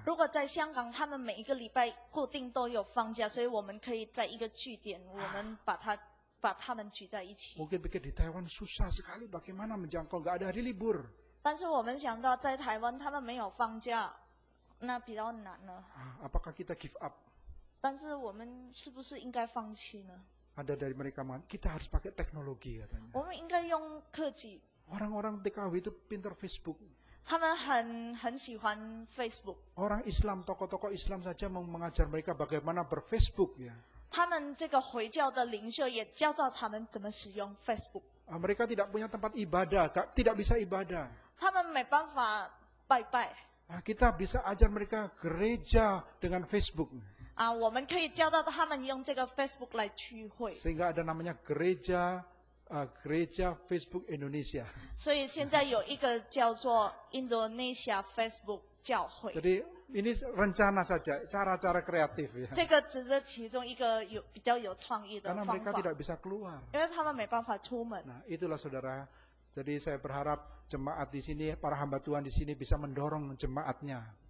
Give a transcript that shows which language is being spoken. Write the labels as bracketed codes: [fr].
[zh] 如果在香港，他们每一个礼拜固定都有放假，所以我们可以在一个据点，我们把它 [id] Mungkin pikir di Taiwan susah sekali bagaimana menjangkau, enggak ada hari libur. [zh] 但是我们想到在台湾他们没有放假，那比较难呢。 [id] Apakah kita [en] give up? [zh] 但是我们是不是应该放弃呢？ [id] Ada dari mereka kita harus pakai teknologi katanya. [zh] 我们应该用科技。 [id] Orang-orang TKW itu pintar Facebook. [zh] 他们很喜欢 Facebook. [id] Orang Islam, tokoh-tokoh Islam saja mengajar mereka bagaimana ber Facebook ya. [zh] 他们这个回教的领袖也教导他们怎么使用 Facebook. [id] Mereka tidak punya tempat ibadah, tidak bisa ibadah. [zh] 他们没办法拜拜. [id] Kita bisa ajar mereka gereja dengan Facebook. [zh] 我们可以教导他们用这个 Facebook 来聚会. [id] Sehingga ada namanya gereja, gereja Facebook Indonesia. [zh] 所以现在有一个叫做 Indonesia Facebook 教会. [id] Jadi ini rencana saja, cara-cara kreatif ya. [zh] 这个只是其中一个有比较有创意的方法。 [id] Karena mereka tidak bisa keluar. [zh] 因为他们没办法出门。 [id] Nah, itulah saudara. Jadi saya berharap jemaat di sini, para hamba Tuhan di sini bisa mendorong jemaatnya.